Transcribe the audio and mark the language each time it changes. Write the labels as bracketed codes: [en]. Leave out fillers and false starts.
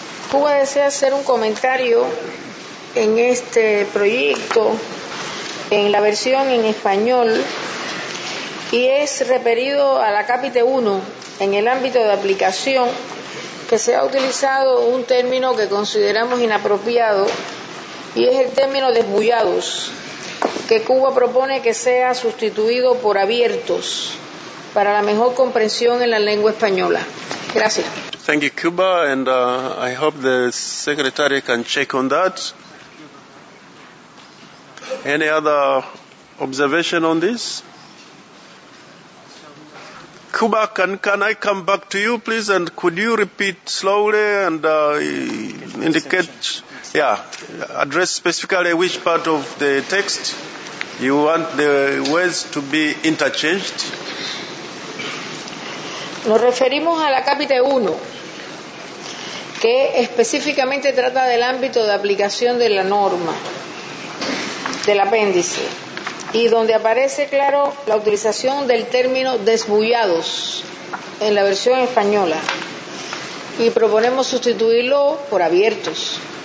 [es] Cuba desea hacer un comentario en este proyecto, en la versión en español, y es referido a la cápita 1 en el ámbito de aplicación, que se ha utilizado un término que consideramos inapropiado, y es el término desbullados, que Cuba propone que sea sustituido por abiertos para la mejor comprensión en la lengua española. Gracias. [en] Thank you, Cuba, and I hope the secretary can check on that. Any other observation on this? Cuba, can I come back to you, please? And could you repeat slowly and indicate, address specifically which part of the text you want the words to be interchanged? [es] Nos referimos a la cápita 1, que específicamente trata del ámbito de aplicación de la norma, del apéndice, y donde aparece claro la utilización del término desbullados en la versión española, y proponemos sustituirlo por abiertos.